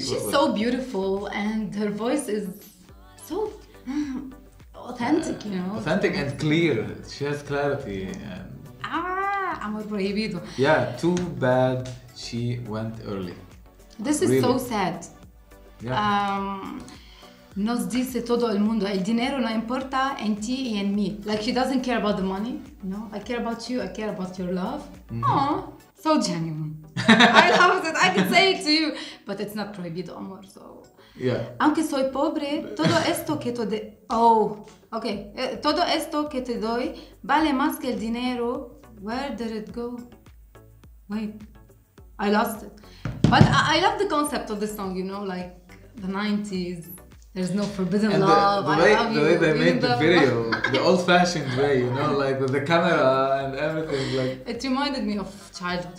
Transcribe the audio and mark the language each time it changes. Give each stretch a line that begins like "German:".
English: She's so beautiful, and her voice is so... authentic, you know. Authentic and clear. She has clarity. And Amor Prohibido. Yeah, too bad she went early. This is really so sad. Yeah.
Spanish: Nos dice todo el mundo, el dinero no importa en ti y en mí.
English: Like, she doesn't care about the money. No, I care about you. I care about your love. Mm-hmm. Aww, so genuine. I love it. I can say it to you. But it's not prohibido, amor, so... Yeah.
Spanish: Aunque soy pobre, todo esto que te doy... Oh, okay. Todo esto que te doy vale más que el dinero.
English: Where did it go? Wait. I lost it. But I love the concept of the song, you know, like the 90s. There's no forbidden and love. The way they made the video, the old-fashioned way, you know, like with the camera and everything. Like, it reminded me of childhood.